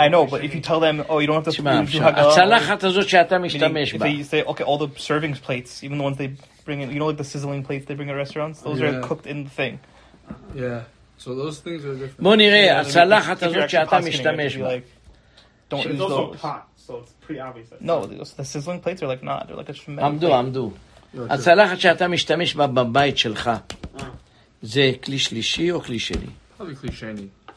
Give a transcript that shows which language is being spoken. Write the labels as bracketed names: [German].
[English] I know, but if you tell them, oh, you don't have to... [Hebrew] הצלחת הזאת שאתה משתמש בה. [English] If you say, okay, all the serving plates, even the ones they bring in, you know, like the sizzling plates they bring at restaurants? Those are cooked in the thing. Yeah, so those things are different. [Hebrew] בוא נראה, הצלחת הזאת שאתה משתמש בה. [English] It's also pots. So it's pretty obvious. No, the sizzling plates are like not. They're like a tremendous. Amdu. [Hebrew] הצלחת שאתה משתמש בה בבית שלך, זה כלי שלישי או כלי שני?